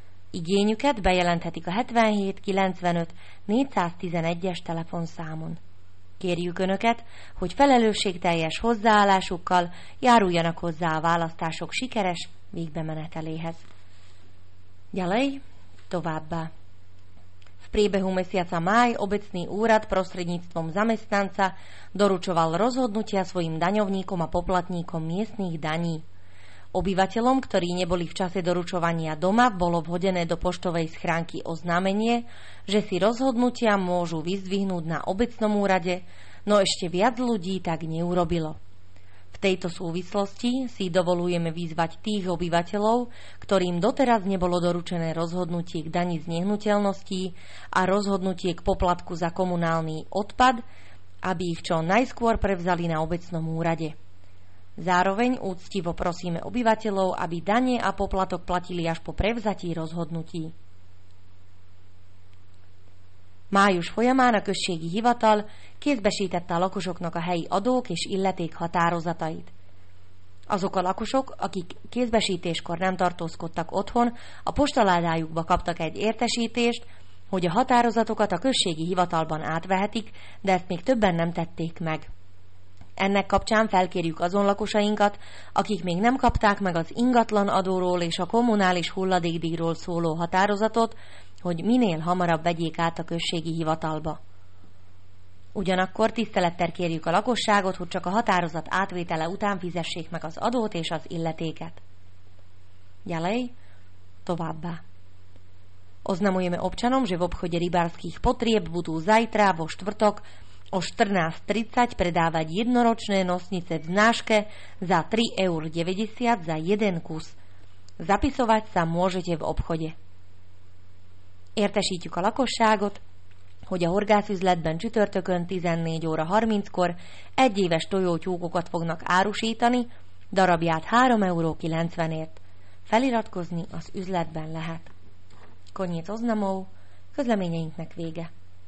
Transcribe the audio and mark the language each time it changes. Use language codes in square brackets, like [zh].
[hu] Igényüket bejelenthetik a 77 95 411-es telefonszámon. Kérjük Önöket, hogy felelősségteljes hozzáállásukkal járuljanak hozzá a választások sikeres végbemeneteléhez. [sk] Ďalej, [hu] továbbá. [sk] V priebehu mesiaca máj obecný úrad prostredníctvom zamestnanca doručoval rozhodnutia svojim daňovníkom a poplatníkom miestnych daní. Obyvateľom, ktorí neboli v čase doručovania doma, bolo vhodené do poštovej schránky oznámenie, že si rozhodnutia môžu vyzdvihnúť na obecnom úrade, no ešte viac ľudí tak neurobilo. V tejto súvislosti si dovolujeme vyzvať tých obyvateľov, ktorým doteraz nebolo doručené rozhodnutie k dani z nehnuteľností a rozhodnutie k poplatku za komunálny odpad, aby ich čo najskôr prevzali na obecnom úrade. Zároveň úctivo prosíme obyvateľov, aby dane a poplatok platili až po prevzatí rozhodnutí. [hu] Május folyamán a községi hivatal kézbesítette a lakosoknak a helyi adók és illeték határozatait. Azok a lakosok, akik kézbesítéskor nem tartózkodtak otthon, a postaládájukba kaptak egy értesítést, hogy a határozatokat a községi hivatalban átvehetik, de ezt még többen nem tették meg. Ennek kapcsán felkérjük azon lakosainkat, akik még nem kapták meg az ingatlan adóról és a kommunális hulladékdíjról szóló határozatot, hogy minél hamarabb vegyék át a községi hivatalba. Ugyanakkor tisztelettel kérjük a lakosságot, hogy csak a határozat átvétele után fizessék meg az adót és az illetéket. Jelej, továbbá. [sk] Oznamujeme občanom, že v obchode rybárskych potrieb budú zajtra vo štvrtok o 14.30 predávať jednoročné nosnice v znáške za 3,90 € za jeden kus. Zapisovať sa môžete v obchode. [hu] Értesítjük a lakosságot, hogy a horgászüzletben csütörtökön 14 óra 30-kor egyéves tojótyúkokat fognak árusítani, darabját 3,90 €-ért. Feliratkozni az üzletben lehet. [sk] Koniec oznamov, [hu] közleményeinknek vége.